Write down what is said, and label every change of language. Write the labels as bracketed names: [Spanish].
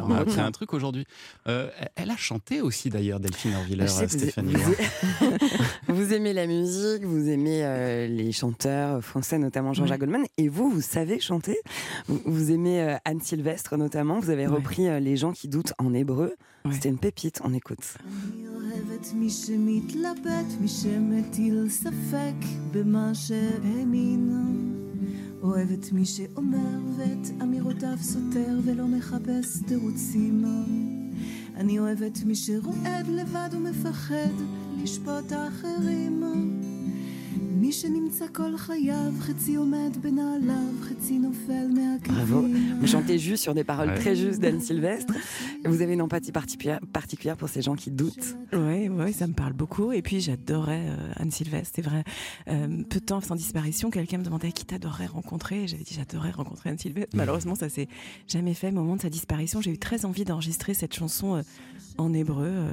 [French] on a appris un truc aujourd'hui. Elle a chanté aussi d'ailleurs, Delphine Horviller, Stéphanie. Vous aimez la musique, vous aimez les chanteurs français, notamment Jean-Jacques Goldman, et vous savez chanter. Vous aimez Anne Sylvestre notamment, vous avez repris Les gens qui doutent en hébreu. Ouais. C'était une pépite, on écoute. [Hebrew] מי שמתלבט, מי שמטיל ספק במה שהאמין. אוהבת מי שאומר ואת אמירותיו סותר ולא מחפש תירוצים. אני אוהבת מי שרועד לבד ומפחד לשפוט אחרים. מי שנמצא כל חייו, חצי עומד בנעליו, חצי נופל מהקווים. [French] Vous chantez juste sur des paroles très justes d'Anne Sylvestre. Vous avez une empathie particulière pour ces gens qui doutent. Oui, ça me parle beaucoup. Et puis j'adorais Anne Sylvestre, c'est vrai. Peu de temps sans disparition, quelqu'un me demandait qui t'adorerais rencontrer. Et j'avais dit j'adorerais rencontrer Anne Sylvestre. Malheureusement, ça ne s'est jamais fait. Au moment de sa disparition, j'ai eu très envie d'enregistrer cette chanson en hébreu.